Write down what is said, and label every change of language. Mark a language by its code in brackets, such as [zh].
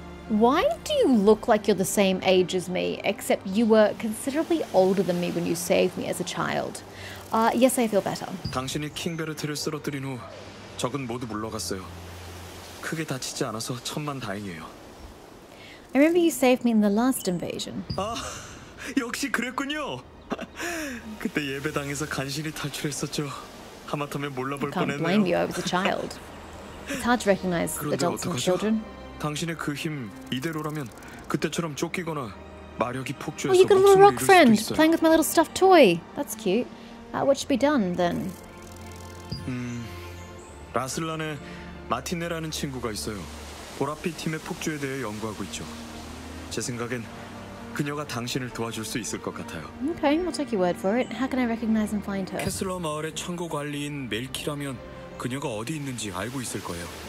[en] Why do you look like you're the same age as me, except you were considerably older than me when you saved me as a child? Yes, I feel better. [ko] 당신이 킹베르트를 쓰러뜨린 후 적은 모두 물러갔어요. 크게 다치지 않아서 천만 다행이에요. [en] I remember you saved me in the last invasion. [ko] 아, 역시 그랬군요. 그때 예배당에서 간신히 탈출했었죠. 하마터면 몰라볼 뻔했네요. [en] Can't blame you. I was a child. It's hard to recognize adults [ko] 어떡하죠? [en] And children. [ko] 당신의 그 힘 이대로라면 그때처럼 쫓기거나 마력이 폭주해서 [en] Oh, you got a little rock friend playing with my little stuffed toy. That's cute. What should be done then? [ko] 라슬란에 마티네라는 친구가 있어요. 보라빛 팀의 폭주에 대해 연구하고 있죠. 제 생각엔 그녀가 당신을 도와줄 수 있을 것 같아요. [en] Okay, I'll take your word for it. How can I recognize and find her? [ko] 캐슬러 마을의 창고 관리인 멜키라면 그녀가 어디 있는지 알고 있을 거예요.